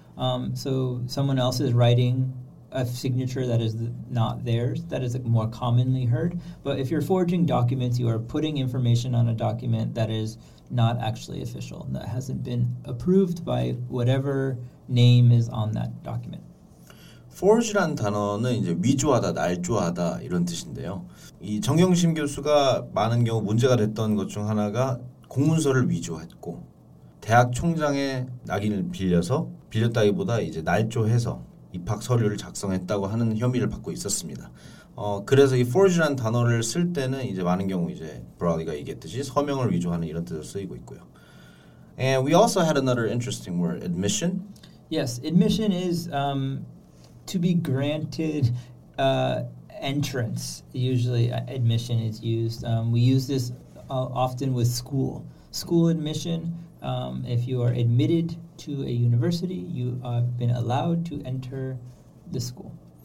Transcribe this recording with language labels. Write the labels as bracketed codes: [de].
[en] So someone else is writing a signature that is not theirs. That is more commonly heard. But if you're forging documents, you are putting information on a document that is not actually official, that hasn't been approved by whatever name is on that document. [ko] Forge라는 단어는 이제 위조하다, 날조하다 이런 뜻인데요. 이 정경심 교수가 많은 경우 문제가 됐던 것 중 하나가 공문서를 위조했고 대학 총장의 낙인을 빌렸다기보다 이제 날조해서 입학 서류를 작성했다고 하는 혐의를 받고 있었습니다. 그래서 이 forge라는 단어를 쓸 때는 이제 많은 경우 이제 브라디가 얘기했듯이 서명을 위조하는 이런 뜻으로 쓰이고 있고요. [en] And we also had another interesting word, admission. Yes, admission is to be granted entrance. Usually admission is used. We use this often with school. School admission, if you are admitted to a university, you have been allowed to enter the school.